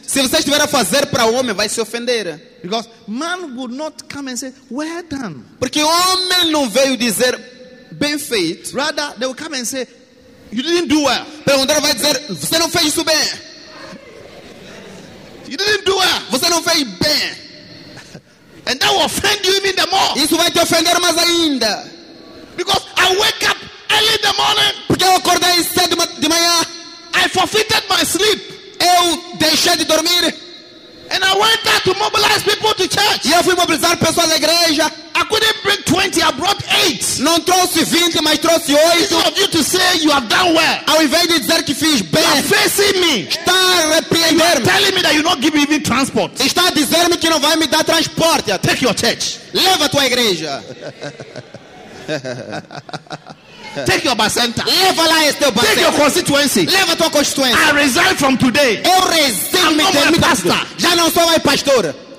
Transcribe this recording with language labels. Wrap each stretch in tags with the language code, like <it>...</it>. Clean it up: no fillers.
<pt>Se você estiver a fazer para o homem, vai se ofender.</pt> <en>Because man would not come and say, well done.</en> <pt>Porque o homem não veio dizer bem feito.</pt> <en>Rather, they will come and say, you didn't do well.</en> <pt>Perguntar vai dizer, você não fez isso bem.</pt> <en>You didn't do well.</en> <pt>Você não fez bem.</pt> <en>And that will offend you even the more.</en> <pt>Isso vai te ofender mais ainda.</pt> <en>Because I wake up early in the morning.</en> <pt>Porque eu acordei cedo de manhã.</pt> <en>I forfeited my sleep.</en> <pt>Eu deixei de dormir.</pt> <en>And I went out to mobilize people to church.</en> <pt>E eu fui mobilizar pessoas da igreja.</pt> <en>I couldn't bring 20, I brought 8.</en> <pt>Não trouxe 20, mas trouxe 8.</pt> <en>Instead of you to say you have done well.</en> <pt>Ao invés de dizer que fiz bem.</pt> <en>You are facing me.</en> <pt>Está a repreender-me.</pt> <en>You are telling me that you not give me transport.</en> <pt>Está a dizer-me que não vai me dar transporte.</pt> <en>Take your church.</en> <pt>Leva a tua igreja.</pt> <en>Take your center.</en> <pt>Leva lá este</pt> <en>bar. Take your constituency.</en> <pt>Leva tua constituência.</pt> <en>I resign from today.</en> <pt>Eu resigno.</pt> <en>I'm not a pastor.</en> <pt>Já não sou mais pastor.</pt>